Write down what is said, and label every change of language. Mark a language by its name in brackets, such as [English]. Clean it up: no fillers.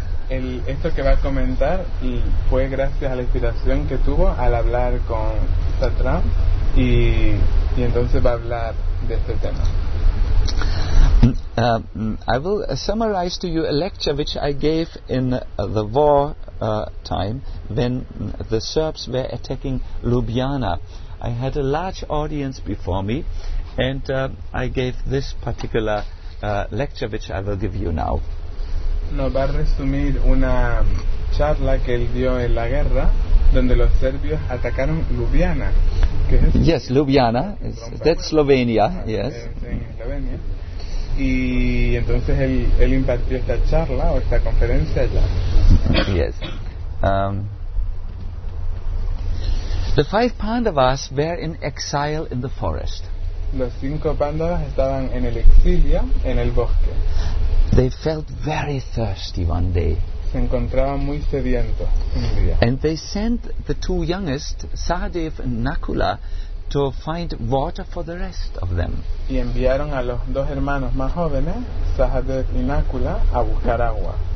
[Spanish] Esto que va a comentar fue gracias a la inspiración que tuvo al hablar con Satram y entonces va a hablar de este tema. [English] I will summarize to you a lecture which I gave in the war time when the Serbs were attacking Ljubljana. I had a large audience before me and I gave this particular lecture which I will give you now. [Spanish] Nos va a resumir una charla que él dio en la guerra donde los serbios atacaron Ljubljana. [English] Yes, Ljubljana. That's Slovenia. Yes. Slovenia. [Spanish] Y entonces él impartió esta charla o esta conferencia allá. [English] Yes. The five Pandavas were in exile in the forest. [Spanish] Los cinco Pandavas estaban en el exilio en el bosque. [English] They felt very thirsty one day. [Spanish] Se encontraban muy sedientos un día. [English] And they sent the two youngest, Sahadev and Nakula, to find water for the rest of them. [Spanish] Y enviaron a los dos hermanos más jóvenes, Sahadev y Nakula, a buscar agua.